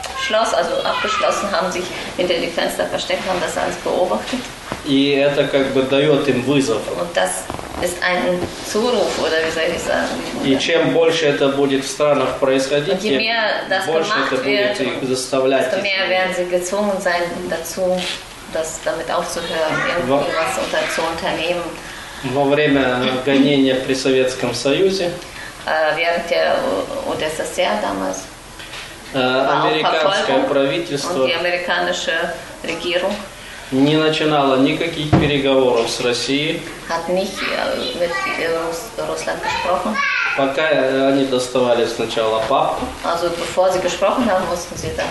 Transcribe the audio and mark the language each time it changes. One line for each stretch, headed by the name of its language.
German: Also abgeschlossen, haben sich hinter die Fenster versteckt, haben das alles beobachtet.
Russian: И это как бы дает им вызов.
German: Und das ist ein Zuruf, oder wie soll ich sagen?
Russian: И чем больше это будет в странах происходить, тем больше это будет их заставлять.
German: Desto mehr werden sie gezwungen sein, dazu, das damit aufzuhören, irgendwas zu unternehmen.
Russian: Во время гонения при Советском Союзе.
German: Während der UdSSR damals.
Russian: Американское правительство и американская регирунг не начинало никаких переговоров с Россией.
German: Hat nicht mit Russland gesprochen.
Russian: Пока они доставали сначала папку.
German: Also bevor sie gesprochen haben, mussten sie das.